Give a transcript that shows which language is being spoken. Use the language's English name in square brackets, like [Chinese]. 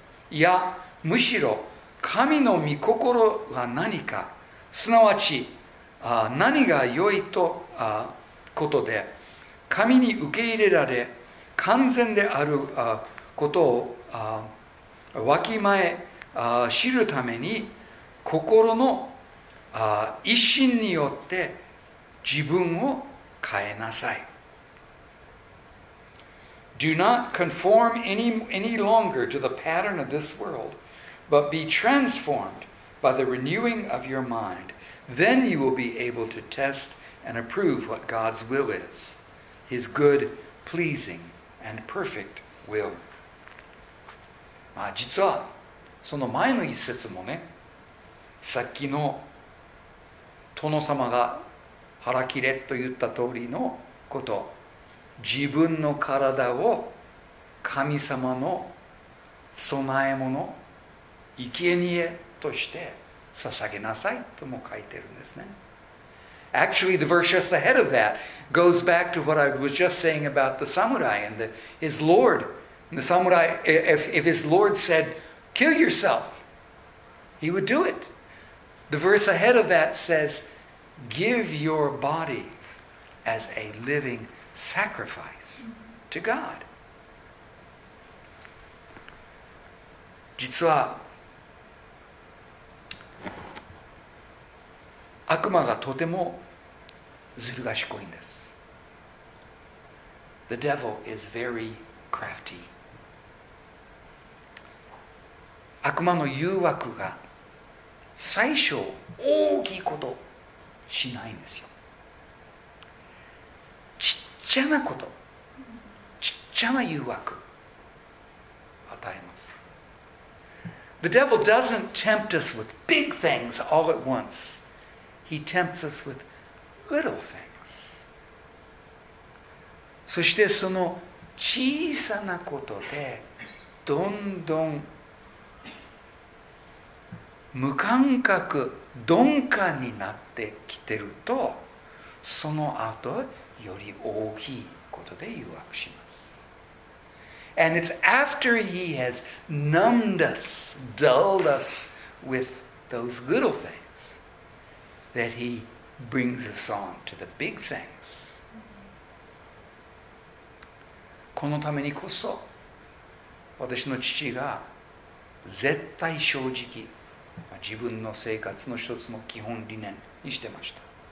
[Japanese] いや、むしろ神の御心が何か、すなわち何が良いとことで、神に受け入れられ完全であることをわきまえ知るために、心の一心によって自分を変えなさい。 [English] Do not conform any longer to the pattern of this world, but be transformed by the renewing of your mind. Then you will be able to test and approve what God's will is, His good, pleasing, and perfect will. [Japanese] 実はその前の一節もね、さっきの殿様が腹切れと言った通りのこと、自分の体を神様の備え物、生贄として捧げなさいとも書いてるんですね。 [English] Actually, the verse just ahead of that goes back to what I was just saying about the samurai and his lord. And the samurai, if his lord said, kill yourself, he would do it. The verse ahead of that says, give your bodies as a living sacrifice to God. [Japanese] 実は悪魔がとてもずる賢いんです。 [English] The devil is very crafty. [Japanese] 悪魔の誘惑が最初大きいことしないんですよ。ちっちゃなこと、ちっちゃな誘惑与えます。 [English] The devil doesn't tempt us with big things all at once.He tempts us with little things. [Japanese] そしてその小さなことでどんどん無感覚、鈍感になってきてると、その後より大きいことで誘惑します。 [English] And it's after he has numbed us, dulled us with those little things that he brings us on to the big things。 [Japanese] このためにこそ私の父が絶対正直、自分の生活の一つの基本理念にしてました。